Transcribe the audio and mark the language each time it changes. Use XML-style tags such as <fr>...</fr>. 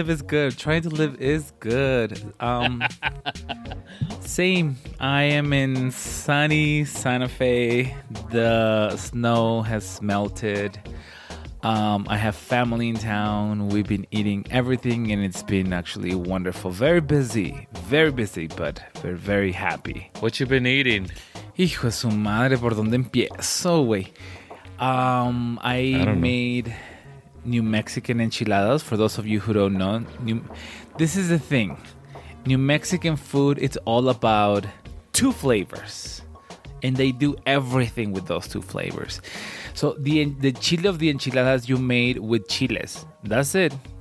<en>Trying to live is good. Same. I am in sunny Santa Fe. The snow has melted. I have family in town. We've been eating everything, and it's been actually wonderful. Very busy, but we're very happy. What you been eating?</en> <es>Hijo de su madre, ¿por dónde empiezo, güey?</es> <en>I made New Mexican enchiladas. For those of you who don't know, this is the thing. New Mexican food, it's all about two flavors. And they do everything with those two flavors. So the chile of the enchiladas you made with chiles. That's it.</en>